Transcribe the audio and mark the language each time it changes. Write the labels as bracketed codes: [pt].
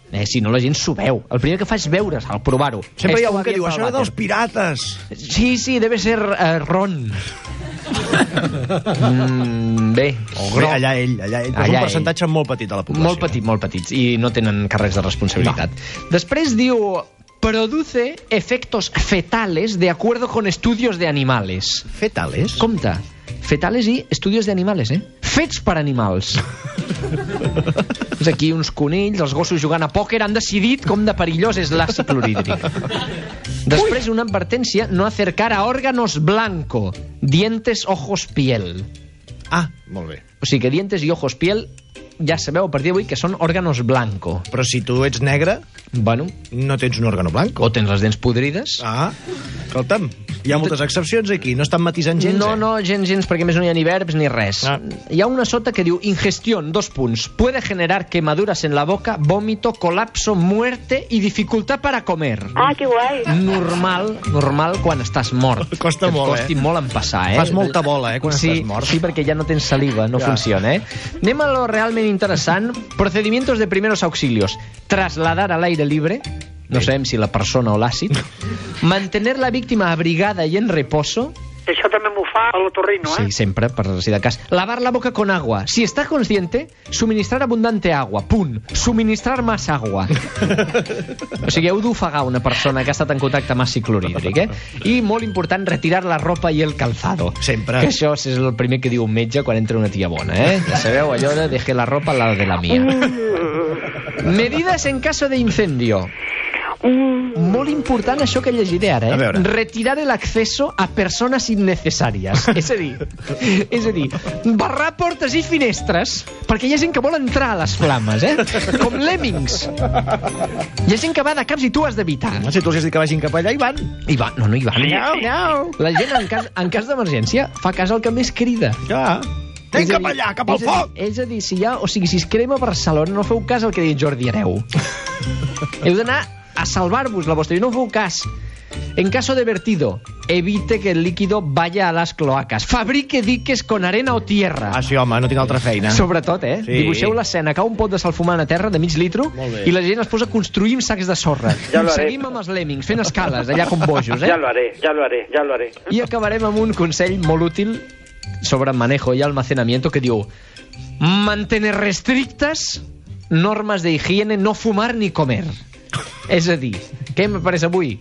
[ca] Si no, la gent s'ho veu. El primer que fa és veure's, al provar-ho. Sempre hi ha un que diu, això és dels pirates. Sí, sí, deve ser Ron. Bé. O Gro. Allà ell. Allà és un percentatge ell. Molt petit de la població. Molt petit, molt petit. I no tenen càrrecs de responsabilitat. No. [es] Després diu, produce efectos fetales de acuerdo con estudios de animales. Fetales? [ca] Compte. [es] Fetales i estudios de animales, [ca] eh? Fets per animals. És aquí uns conills, els gossos jugant a pòquer, han decidit com de perillós és l'àcid clorhídric. Després, una advertència, [es] no acercar a órganos blanco, dientes, ojos, piel. [ca] Ah, molt bé. O sigui que [es] dientes i ojos, piel, [ca] ja sabeu a partir d'avui que són [es] órganos blanco. [ca] Però si tu ets negre, bueno, no tens un [es] órgano blanco. [ca] O tens les dents podrides. Ah, escolta'm. Hi ha moltes excepcions aquí, no estan matisant gens, no, eh? No, gens, perquè més no hi ha ni verbs ni res. Ah. Hi ha una sota que diu, [es] ingestión, [ca] dos punts, [es] puede generar quemaduras en la boca, vómito, colapso, muerte y dificultad para comer. [ca] Ah, que guai. Normal quan estàs mort. Costa molt, eh? Que et costi molt en passar, eh? Fas molta bola, quan sí, estàs mort. Sí, perquè ja no tens saliva, no funciona, eh? Anem a lo realment interessant, [es] procedimientos de primeros auxilios. Trasladar a l'aire libre... [ca] No sabem si la persona o l'àcid. [es] Mantener la víctima abrigada i en reposo. [ca] Això també m'ho fa a l'otorrino, sí, eh? Sí, sempre, per si de cas. [es] Lavar la boca con agua. Si està consciente, suministrar abundante agua. Punt. Suministrar más agua. [ca] O sigui, heu d'ofegar una persona que ha estat en contacte amb àcid clorhídric, eh? I, molt important, [es] retirar la ropa i el calzado. [ca] Sempre. Que això és el primer que diu un metge quan entra una tia bona, eh? Ja sabeu, allò de [es] deje la ropa a la de la mía. Medidas en caso de incendio. [ca] Molt important això que llegiré ara, eh? [es] Retirar el acceso [ca] a persones innecessàries. És a dir, barrar portes i finestres perquè hi ha gent que vol entrar a les flames, eh? Com lemmings. Hi ha gent que va de caps i tu has d'evitar. Si tu els has dit que vagin cap allà, hi van. No hi van. No. La gent, en cas d'emergència, fa cas al que més crida. Ja. Vinc cap allà, cap al foc! És a dir, si hi ha... O sigui, si es crema a Barcelona, no feu cas al que ha dit Jordi Hereu. Heu d'anar... a salvar-vos la vostra. No feu cas. [es] En caso de vertido, evite que el líquido vaya a las cloacas. Fabrique diques con arena o tierra. [ca] Ah, sí, home, no tinc altra feina. Sobretot, eh? Sí. Dibuixeu l'escena. Cau un pot de salfumant a terra, de mig litro, i la gent es posa a construir amb sacs de sorra. Ja ho haré. Seguim amb els lemmings, fent escales, allà com bojos, eh? Ja ho haré. I acabarem amb un consell molt útil sobre [es] manejo i almacenamiento [ca] que diu [es] mantener restrictes normes de higiene, no fumar ni comer. [ca] És a dir, Què hem après avui?